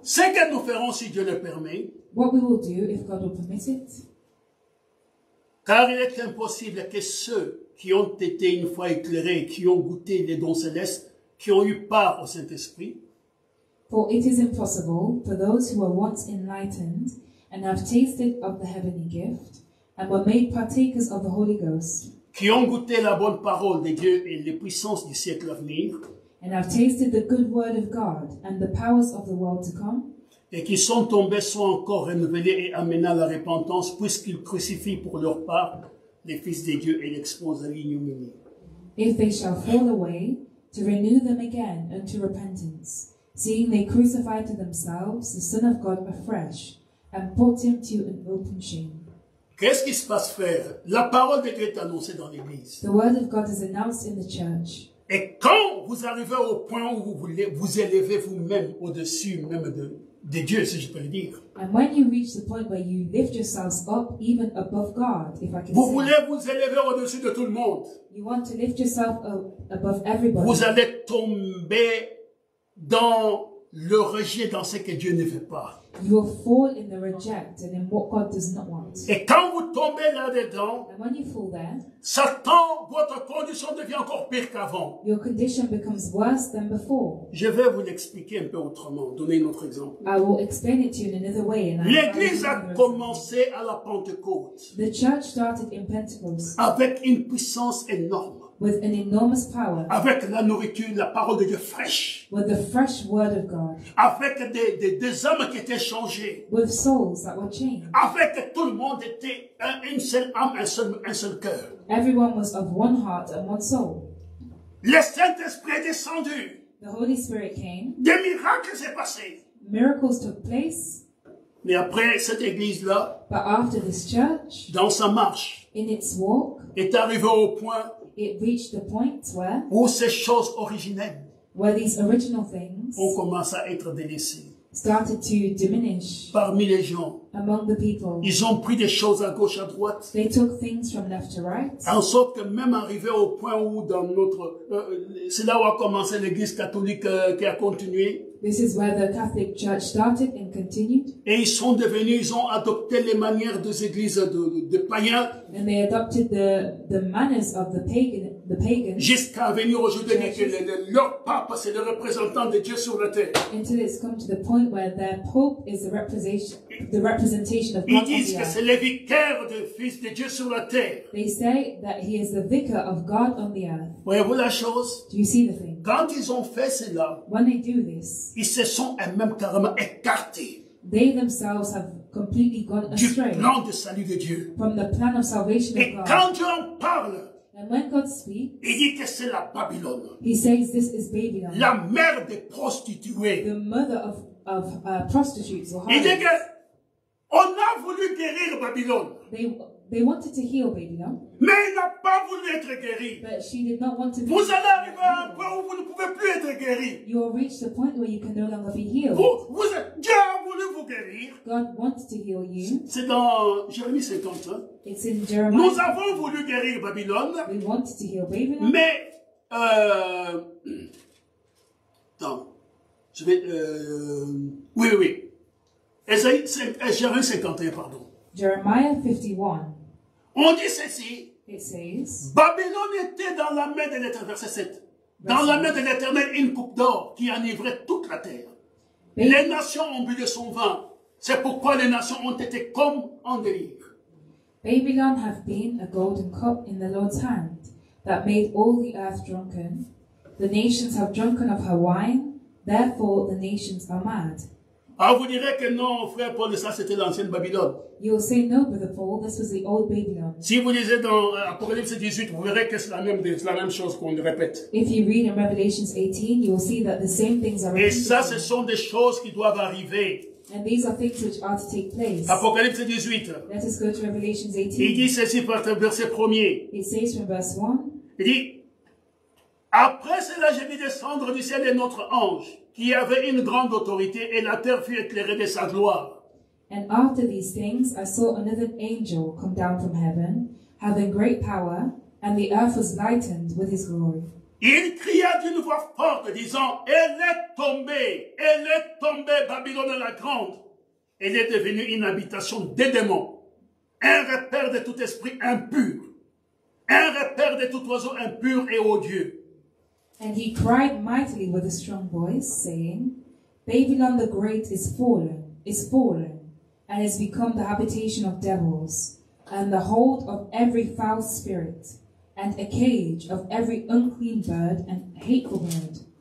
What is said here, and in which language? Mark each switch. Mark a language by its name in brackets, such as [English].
[French] Ce que nous ferons si Dieu le permet. [English] What we will do if God will permit it. [French] Car il est impossible que ceux qui ont été une fois éclairés, qui ont goûté les dons célestes, qui ont eu part au Saint-Esprit. [English] For it is impossible for those who were once enlightened and have tasted of the heavenly gift and were made partakers of the Holy Ghost, [French] qui ont goûté la bonne parole de Dieu et les puissances du siècle à venir, [English] and have tasted the good word of God and the powers of the world to come, [French] et qui sont tombés soient encore renouvelés et amenés à la repentance, puisqu'ils crucifient pour leur part les fils de Dieu et l'exposent à l'ignominie. [English] If they shall fall away, to renew them again unto repentance, seeing they crucified to themselves the Son of God afresh, and put him to an open shame. [French] Qu'est-ce qui se passe faire? La parole de Dieu est annoncée dans l'église. [English] The word of God is announced in the church. [French] Et quand vous arrivez au point où vous voulez vous élever vous-même au-dessus même de Dieu, si je peux le dire. [English] And when you reach the point where you lift yourselves up even above God, if I can say. [French] Vous voulez vous élever au-dessus de tout le monde. [English] You want to lift yourself up above everybody. [French] Vous allez tomber dans le rejet dans ce que Dieu ne veut pas. [English] You will fall in the reject and in what God does not want. [French] Et quand vous tombez là-dedans, [English] and when you fall there, [French] Satan, votre condition devient encore pire qu'avant. [English] Your condition becomes worse than before. [French] Je vais vous l'expliquer un peu autrement, donner un autre exemple. [English] I will explain it to you in another way. [French] L'église a commencé à la Pentecôte. [English] The church started in Pentecost. [French] Avec une puissance énorme. [English] With an enormous power. [French] Avec la nourriture, la parole de Dieu fraîche. [English] With the fresh word of God. [French] Avec des âmes qui étaient changées. [English] With souls that were changed. [French] Avec tout le monde était une seule âme, un seul cœur. [English] Everyone was of one heart and one soul. [French] Le Saint-Esprit est descendu. [English] The Holy Spirit came. [French] Des miracles s'est passé. [English] Miracles took place. [French] Mais après cette église-là, [English] but after this church, [French] dans sa marche, [English] in its walk, [French] est arrivé au point. [English] It reached the point where, [French] où ces choses originelles, [English] where these original things, [French] ont commencé à être délaissées, [English] started to diminish, [French] parmi les gens, [English] among the people, [French] ils ont pris des choses à gauche à droite, [English] they took things from left to right, [French] en sorte que même arrivé au point où dans notre, c'est là où a commencé l'Église catholique qui a continué. [English] This is where the Catholic Church started and continued. [French] Et ils sont devenus, ils ont adopté les manières des églises de païens. [English] And they adopted the manners of the pagans. [French] Jusqu'à venir aujourd'hui que leur pape c'est le représentant de Dieu sur la terre. [English] Until it's come to the point where their pope is the representation of God. [French] Ils disent que c'est le vicaire du Fils de Dieu sur la terre. [English] They say that he is the vicar of God on the earth. [French] Voyez-vous la chose? [English] Do you see the thing? [French] Quand ils ont fait cela, [English] when they do this, [French] ils se sont même carrément écartés. [English] They themselves have completely gone astray. [French] Du plan de salut de Dieu. [English] From the plan of salvation of God. [French] Et quand Dieu en parle, [English] and when God speaks, [French] il dit que c'est la Babylone. [English] He says this is Babylon. [French] La mère des prostituées. [English] The mother of prostitutes or harlots. [French] Il dit que on a voulu guérir Babylone. [English] They wanted to heal Babylon. [French] Mais elle n'a pas voulu être guérie. [English] But she did not want to be. [French] Vous allez arriver à un point où vous ne pouvez plus être guéri. [English] You will reach the point where you can no longer be healed. [French] Vous, Dieu a voulu vous guérir. [English] God wanted to heal you. [French] C'est dans Jérémie 50. Hein? [English] It's in Jeremiah. [French] Nous avons voulu guérir Babylon. [English] We wanted to heal Babylon. [French] Mais Oui. Jérémie 51, pardon. [English] Jeremiah 51. [French] On dit ceci. [English] It says, [French] Babylone était dans la main de l'Éternel, verset 7. Dans la main de l'Éternel, une coupe d'or qui enivrait toute la terre. Les nations ont bu de son vin. C'est pourquoi les nations ont été comme en délire. [English] Babylon have been a golden cup in the Lord's hand that made all the earth drunken. The nations have drunken of her wine. Therefore, the nations are mad. [French] Ah, vous direz que non, frère Paul, ça c'était l'ancienne Babylone. [English] You will say no, brother Paul, this was the old Babylon. [French] Si vous lisez dans Apocalypse 18, vous verrez que c'est la même chose qu'on répète. [English] If you read in Revelation 18, you will see that the same things are repeated. [French] Et ça, ce sont des choses qui doivent arriver. [English] And these are things which are to take place. [French] Apocalypse 18. [English] Let us go to Revelation 18. [French] Il dit ceci par le verset premier. [English] It says from verse 1. [French] Il dit, après cela, j'ai vu descendre du ciel un autre ange qui avait une grande autorité et la terre fut éclairée de sa gloire. [English] And after these things, I saw another angel come down from heaven, having great power, and the earth was lightened with his glory. [French] Il cria d'une voix forte, disant, elle est tombée, Babylone la grande. Elle est devenue une habitation des démons, un repère de tout esprit impur, un repère de tout oiseau impur et odieux. [English] And he cried mightily with a strong voice, saying, Babylon the great is fallen, and has become the habitation of devils, and the hold of every foul spirit, and a cage of every unclean bird and hateful bird.